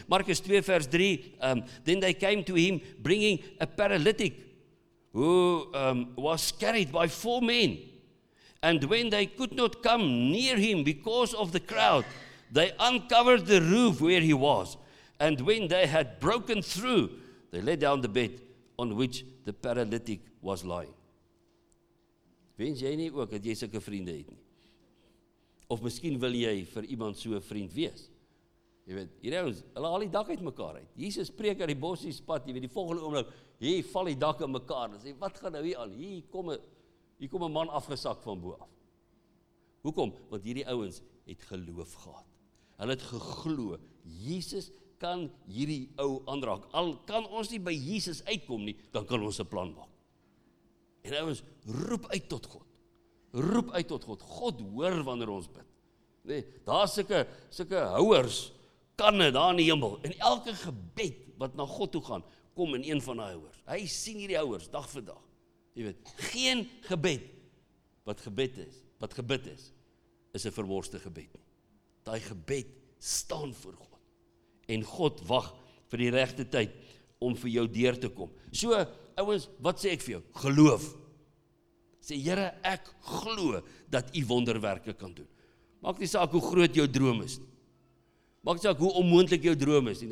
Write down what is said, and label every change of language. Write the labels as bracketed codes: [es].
[af] Markus 2 vers 3, [en] then they came to him bringing a paralytic who was carried by 4 men. And when they could not come near him because of the crowd, they uncovered the roof where he was. And when they had broken through, they let down the bed on which the paralytic was lying. [af] Wens jy nie ook dat jy sulke vriende het nie? Of miskien wil jy vir iemand so 'n vriend wees. Jy weet, hierdie ouens, hulle haal die dak uit mekaar uit. Jesus preek uit die bossies pad, jy weet, die volgende oomblik, hier val die dak in mekaar. Hy sê, wat gaan nou hier aan? Hier kom een man afgesak van bo af. Hoekom? Want hierdie ouens het geloof gehad. Hulle het geglo, Jesus kan hierdie ou aanraak. Al kan ons nie by Jesus uitkom nie, dan kan ons 'n plan maak. En ouens, roep uit tot God. Roep uit tot God. God hoor wanneer ons bid. Nee, daar is sulke houers, kanne daar in die hemel. En elke gebed wat na God toe gaan, kom in een van die houers. Hy sien hierdie houers dag vir dag. Jy weet, geen gebed is, is 'n verworste gebed. Daai gebed staan voor God. En God wag vir die regte tyd om vir jou deur te kom. So, ouens, wat sê ek vir jou? Geloof. Sê, Here, ek glo dat U wonderwerke kan doen. Maak nie saak hoe groot jou droom is nie. Maak nie saak hoe onmoontlik jou droom is nie.